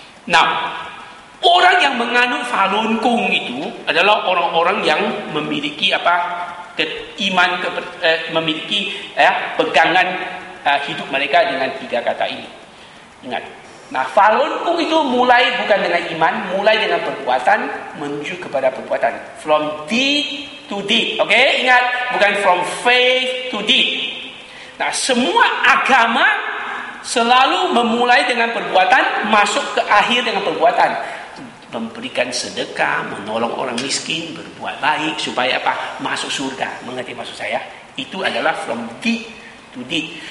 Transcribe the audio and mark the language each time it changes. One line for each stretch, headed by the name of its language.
Indonesian: Nah, orang yang menganut Falun Gong itu adalah orang-orang yang memiliki apa? Iman, memiliki pegangan hidup mereka dengan tiga kata ini. Ingat. Nah, Falun Gong itu mulai bukan dengan iman, mulai dengan perbuatan, menuju kepada perbuatan.
English: From deed to deed.
Indonesian: Oke, ingat. Bukan
English: from faith to deed.
Indonesian: Nah, semua agama selalu memulai dengan perbuatan, masuk ke akhir dengan perbuatan. Memberikan sedekah, menolong orang miskin, berbuat baik, supaya apa? Masuk surga. Mengerti maksud saya? Itu adalah
English: from deed to deed.